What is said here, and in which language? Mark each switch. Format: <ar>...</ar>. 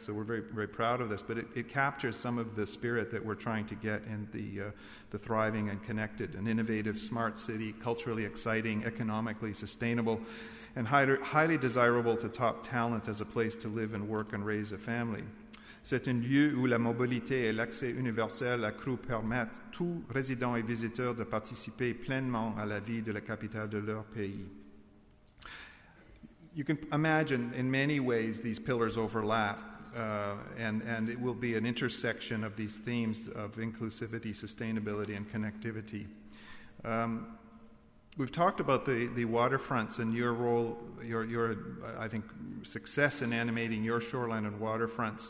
<en>So we're very, very proud of this. But it captures some of the spirit that we're trying to get in the thriving and connected and innovative smart city, culturally exciting, economically sustainable, and highly desirable to top talent as a place to live and work and raise a family.</en> <fr>C'est un lieu où la mobilité et l'accès universel accru permettent tous résidents et visiteurs de participer pleinement à la vie de la capitale de leur pays.</fr> <en>You can imagine in many ways these pillars overlap, and it will be an intersection of these themes of inclusivity, sustainability, and connectivity. We've talked about the waterfronts and your role, your I think success in animating your shoreline and waterfronts.</en>